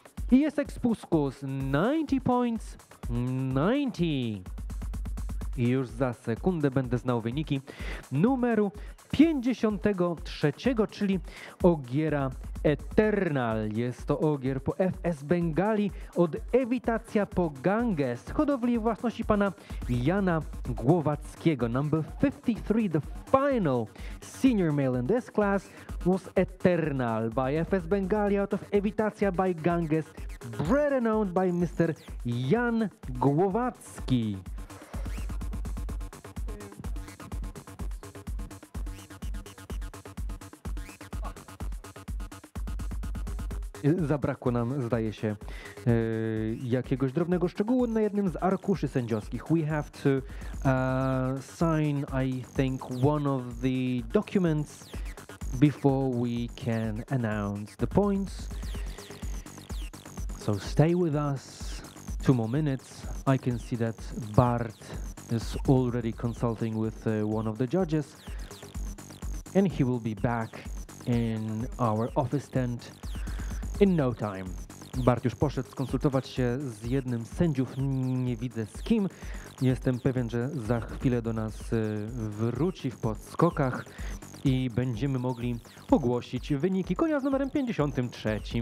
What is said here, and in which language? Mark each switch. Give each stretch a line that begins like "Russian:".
English: ISXPU scores 90 points, 90.
Polish: I już za sekundę będę znał wyniki numeru 53, czyli ogiera Eternal. Jest to ogier po FS Bengali od Ewitacja po Ganges, hodowli własności pana Jana Głowackiego.
English: Number 53, the final senior male in this class was Eternal by FS Bengali out of Ewitacja by Ganges, bred and owned by Mr. Jan Głowacki.
Polish: Zabrakło nam, zdaje się, jakiegoś drobnego szczegółu na jednym z arkuszy sędziowskich.
English: We have to sign, I think, one of the documents before we can announce the points. So stay with us. Two more minutes. I can see that Bart is already consulting with one of the judges. And he will be back in our office tent in no time.
Polish: Bart już poszedł skonsultować się z jednym z sędziów. Nie widzę z kim. Jestem pewien, że za chwilę do nas wróci w podskokach i będziemy mogli ogłosić wyniki konia z numerem 53.